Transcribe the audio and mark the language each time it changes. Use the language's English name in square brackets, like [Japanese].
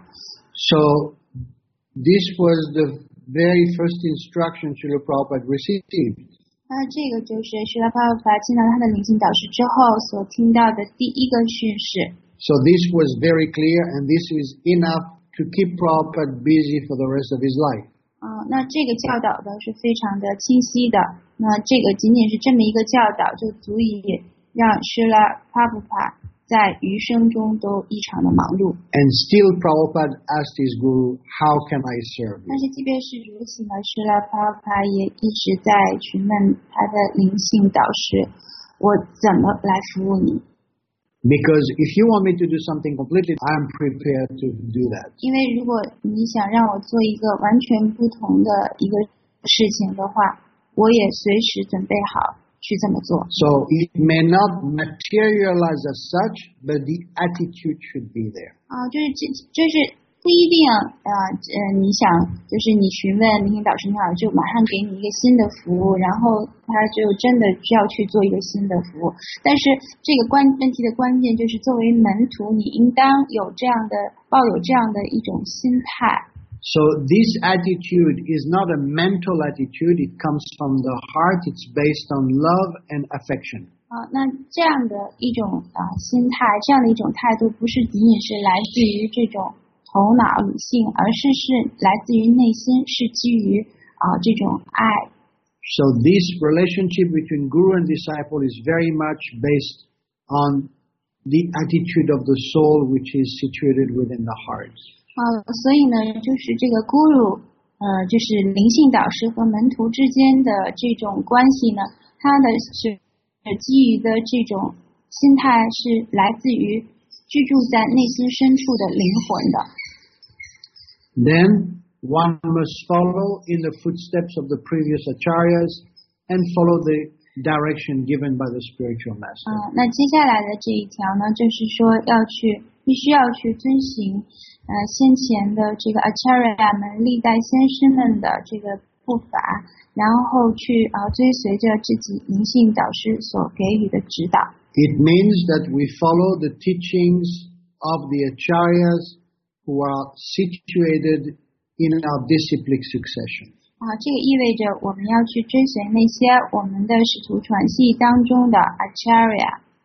[English] So this was the very first instruction Srila Prabhupada received. [Chinese] 那这个就是 Srila Prabhupada 见到他的灵性导师之后所听到的第一个训示。 [English] So this was very clear, and this is enough to keep Prabhupada busy for the rest of his life. [Chinese] 那这个教导呢是非常的清晰的。那这个仅仅是这么一个教导，就足以让 Srila Prabhupada 在余生中都异常的忙碌。 [English] And still, Prabhupada asked his guru, "How can I serve?" [Chinese] 但是即便是如此呢，是了 ，Prabhupada 也一直在询问他的灵性导师，我怎么来服务你？ [English] Because if you want me to do something completely, I'm prepared to do that. [Chinese] 因为如果你想让我做一个完全不同的一个事情的话，我也随时准备好去这么做。 [English] So it may not materialize as such, but the attitude should be there. [Chinese] 啊，就是不一定啊，你想就是你询问灵性导师，你好，就马上给你一个新的服务，然后他就真的需要去做一个新的服务。但是这个问题的关键就是，作为门徒，你应当有这样的抱有这样的一种心态。 [English] So this attitude is not a mental attitude; it comes from the heart. It's based on love and affection. [Chinese] 啊，那这样的一种啊心态，这样的一种态度，不是仅仅是来自于这种。头脑理性，而是来自于内心，是基于这种爱。 [English] So this relationship between guru and disciple is very much based on the attitude of the soul, which is situated within the heart. [Chinese] 所以呢，就是这个 guru， 就是灵性导师和门徒之间的这种关系呢，它的是基于的这种心态是来自于。居住在内心深处的灵魂的。 [English] Then one must follow in the footsteps of the previous acharyas and follow the direction given by the spiritual master. [Chinese] 那接下来的这一条呢，就是说必须要去遵循，先前的这个 acharya 们历代先师们的这个步伐，然后去追随着自己灵性导师所给予的指导。 [English] It means that we follow the teachings of the acharyas who are situated in our disciplic succession. [Chinese] 这个意味着我们要去追随那些我们的使徒传系当中的 acharya.